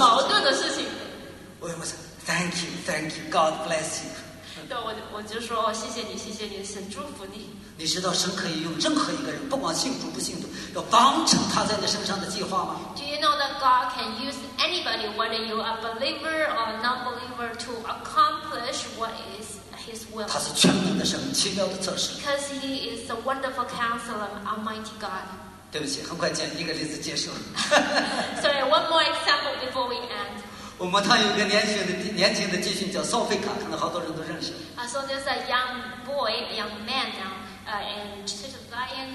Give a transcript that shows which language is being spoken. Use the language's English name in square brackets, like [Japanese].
[Chinese] 这是一个很矛盾的事情。我说， [English] Thank you, God bless you. [Chinese] 对，我就说谢谢你，神祝福你。你知道神可以用任何一个人，不管信主不信主，要完成他在你身上的计划吗？ [English] Do you know that God can use anybody, whether you are a believer or non-believer, to accomplish what is His will? [Chinese] 他是全能的神，奇妙的测试。 [English] Because He is the wonderful Counselor, Almighty God. [Chinese] 对不起，很快讲一个例子结束。Sorry, [English] one more example before we end. [Chinese] 我们他有个年轻的继训叫Sofika，可能好多人都认识。So [English] there's a young boy, a young man now, and he's a lion.